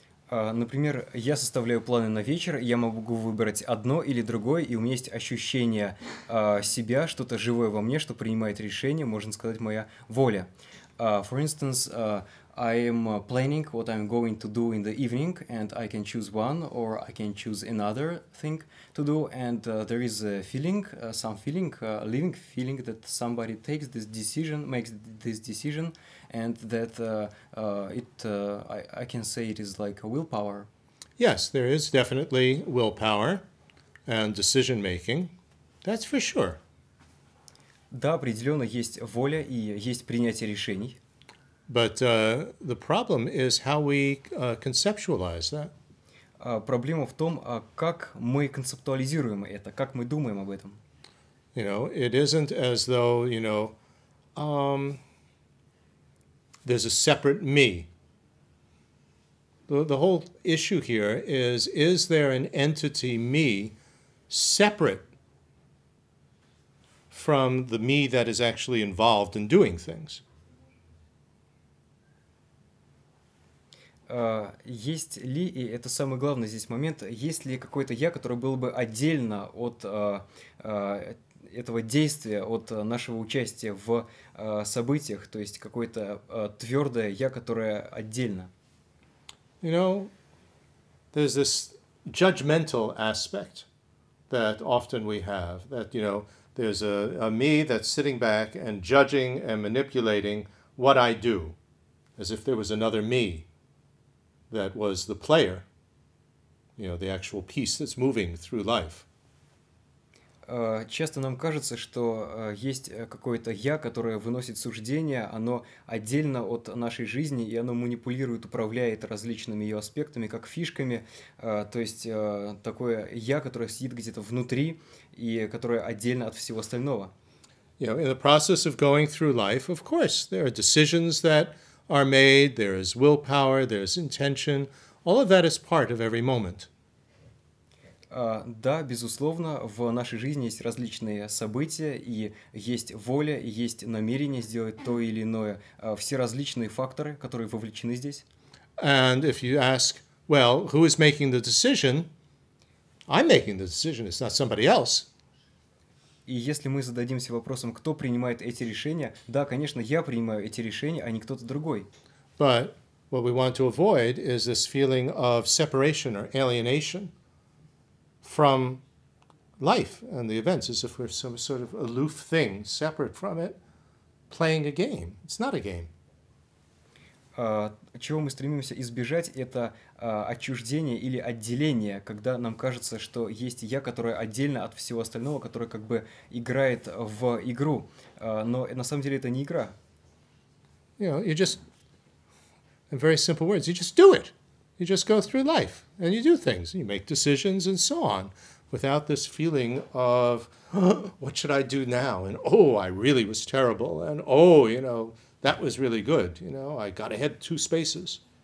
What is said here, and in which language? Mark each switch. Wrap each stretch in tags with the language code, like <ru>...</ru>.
<ru>Например, я составляю планы на вечер, я могу выбрать одно или другое, и у меня есть ощущение себя, что-то живое во мне, что принимает решение, можно сказать, моя воля.</ru> <en>For instance, I am planning what I'm going to do in the evening, and I can choose one, or I can choose another thing to do, and there is a feeling, some feeling, living feeling that somebody takes this decision, makes this decision, and that I can say it is like a willpower. Yes, there is definitely willpower and decision-making, that's for sure.</en> <ru>Да, определенно есть воля и есть принятие решений.</ru> <en>But the problem is how we conceptualize that.</en> <ru>Проблема в том, как мы концептуализируем это, как мы думаем об этом.</ru> <en>You know, it isn't as though, you know, there's a separate me. The whole issue here is there an entity me separate from the me that is actually involved in doing things?</en> <ru>Есть ли, и это самый главный здесь момент, есть ли какое-то я, которое было бы отдельно от этого действия, от нашего участия в событиях, то есть какое-то твердое я, которое отдельно?</ru> <en>You know, there's this judgmental aspect that often we have, that, you know, there's a me that's sitting back and judging and manipulating what I do, as if there was another me that was the player, you know, the actual piece that's moving through life.</en> <ru>Часто нам кажется, что есть какое-то «я», которое выносит суждение, оно отдельно от нашей жизни, и оно манипулирует, управляет различными ее аспектами, как фишками, то есть такое «я», которое сидит где-то внутри и которое отдельно от всего остального.</ru> <en>You know, in the process of going through life, of course, there are decisions that are made, there is willpower, there is intention, all of that is part of every moment.</en> <ru>Да, безусловно, в нашей жизни есть различные события, и есть воля, и есть намерение сделать то или иное. Все различные факторы, которые вовлечены здесь.</ru> <en>And if you ask, well, who is making the decision? I'm making the decision, it's not somebody else.</en> <ru>И если мы зададимся вопросом, кто принимает эти решения, да, конечно, я принимаю эти решения, а не кто-то другой.</ru> <en>But what we want to avoid is this feeling of separation or alienation from life and the events, as if we're some sort of aloof thing, separate from it, playing a game. It's not a game.</en> <ru>Чего мы стремимся избежать, это отчуждение или отделение, когда нам кажется, что есть я, которое отдельно от всего остального, которое как бы играет в игру. Но на самом деле это не игра.</ru> <en>You know, you just, in very simple words, you just do it. You just go through life, and you do things, you make decisions, and so on, without this feeling of, what should I do now? And, oh, I really was terrible, and, oh, you know, that was really good, you know, I got ahead 2 spaces.</en>